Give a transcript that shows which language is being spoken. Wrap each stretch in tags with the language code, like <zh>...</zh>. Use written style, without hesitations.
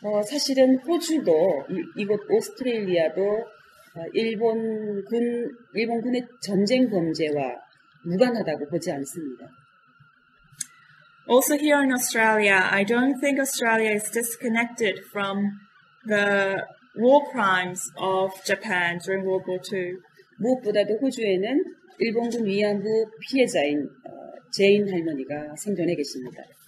<ko>사실은 호주도, 이곳 오스트레일리아도 일본군의 전쟁 범죄와 무관하다고 보지 않습니다.</ko> <en>Also here in Australia, I don't think Australia is disconnected from the war crimes of Japan during World War II.</en> <ko>무엇보다도 호주에는 일본군 위안부 피해자인 제인 할머니가 생존해 계십니다.</ko>